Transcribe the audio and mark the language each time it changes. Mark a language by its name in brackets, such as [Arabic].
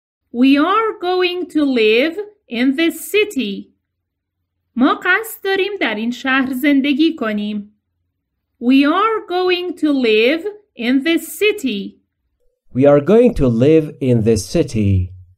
[English] We are going to live in the city. [Persian] ما قصد داریم در این شهر زندگی کنیم. [English] We are going to live in the city. We are going to live in the city.